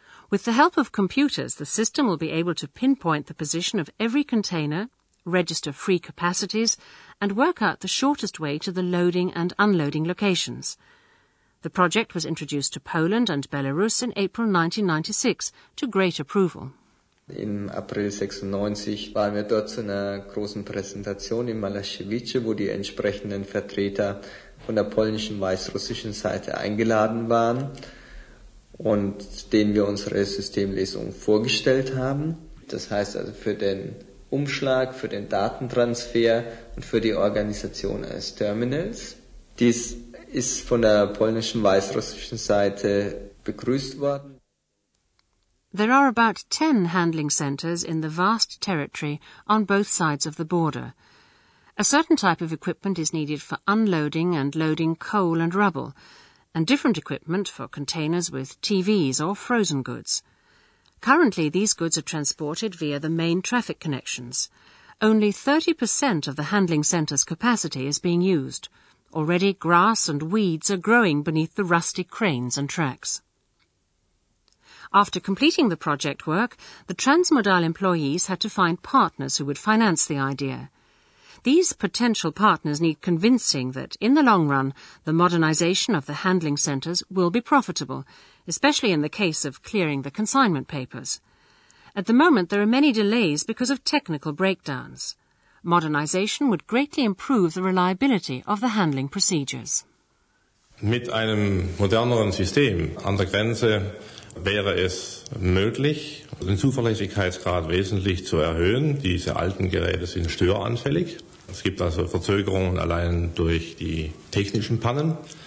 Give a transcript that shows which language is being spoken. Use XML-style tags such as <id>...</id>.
<en>With the help of computers, the system will be able to pinpoint the position of every container, register free capacities, and work out the shortest way to the loading and unloading locations. The project was introduced to Poland and Belarus in April 1996 to great approval.</en> <de>Im April 96 waren wir dort zu einer großen Präsentation in Malachevichy, wo die entsprechenden Vertreter von der polnischen und weißrussischen Seite eingeladen waren und denen wir unsere Systemlösung vorgestellt haben. Das heißt also für den Umschlag, für den Datentransfer und für die Organisation eines Terminals. Dies ist von der polnischen und weißrussischen Seite begrüßt worden.</de> <en>There are about 10 handling centres in the vast territory on both sides of the border. A certain type of equipment is needed for unloading and loading coal and rubble, and different equipment for containers with TVs or frozen goods. Currently, these goods are transported via the main traffic connections. Only 30% of the handling centre's capacity is being used. Already, grass and weeds are growing beneath the rusty cranes and tracks. After completing the project work, the Transmodal employees had to find partners who would finance the idea. These potential partners need convincing that, in the long run, the modernization of the handling centres will be profitable, especially in the case of clearing the consignment papers. At the moment, there are many delays because of technical breakdowns. Modernization would greatly improve the reliability of the handling procedures.</en> <de>Mit einem moderneren System an der Grenze wäre es möglich, den Zuverlässigkeitsgrad wesentlich zu erhöhen. Diese alten Geräte sind störanfällig. Es gibt also Verzögerungen allein durch die technischen Pannen.</de>